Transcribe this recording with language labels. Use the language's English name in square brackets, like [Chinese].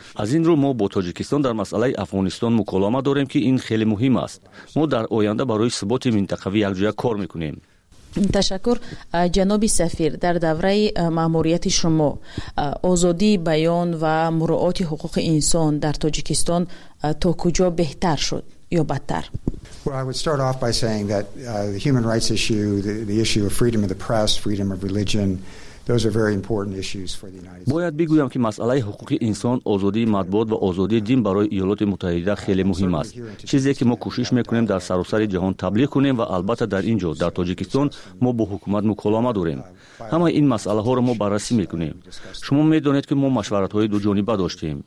[Persian] از این رو ما با تاجیکستان در مسئله افغانستان مکالمه داریم که این خیلی مهم است. ما در آینده برای ثبات منطقه‌ای یکجا کار می‌کنیم. تشکر جناب سفیر. در دوره ماموریت شما آزادی بیان و مراعات حقوق انسان در تاجیکستان تا کجا بهتر شد یا بدتر؟ [English] Well, I would start off by saying that the human rights issue, the issue of freedom of the press, freedom of religion, those are very important issues for the United States. [Persian] باید بگویم که مسئله حقوق انسان، آزادی مطبوعات و آزادی دین برای ایالات متحده خیلی مهم است. چیزی که ما کوشش میکنیم در سراسر جهان تبلیغ کنیم و البته در اینجا در تاجیکستان ما با حکومت مکالمه داریم. همه این مسئله ها را ما بررسی میکنیم. شما میدونید که ما مشورت های دو جانبه داشتیم.